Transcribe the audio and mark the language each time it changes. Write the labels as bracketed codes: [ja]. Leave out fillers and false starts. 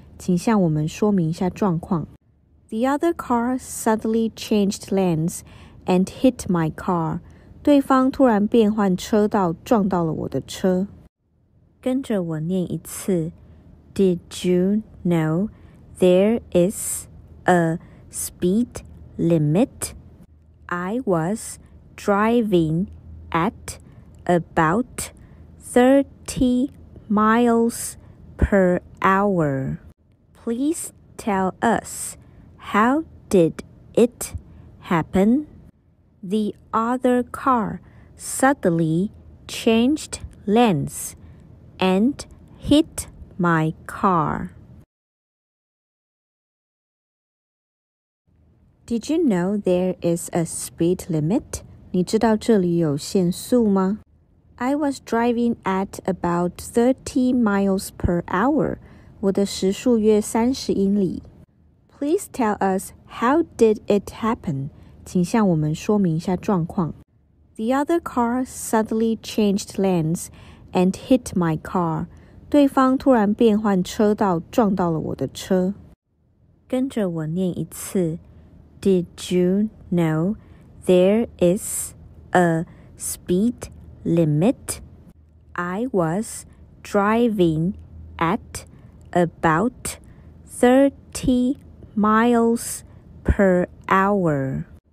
[zh] 请向我们说明一下状况。 [en] The other car suddenly changed lanes and hit my car. [zh] 对方突然变换车道撞到了我的车。跟着我念一次。 [en] Did you know there is a speed limit? I was driving at about 30 miles per hour. Please tell us, how did it happen? The other car suddenly changed lanes and hit my car. Did you know there is a speed limit? [zh] 你知道这里有限速吗? [en] I was driving at about 30 miles per hour. [zh] 我的时速约三十英里。 [en] Please tell us, how did it happen? [zh] 请向我们说明一下状况。 [en] The other car suddenly changed lanes and hit my car. [zh] 对方突然变换车道撞到了我的车。跟着我念一次。 [en] Did you know there is a speed limit? I was driving at about 30 miles per hour.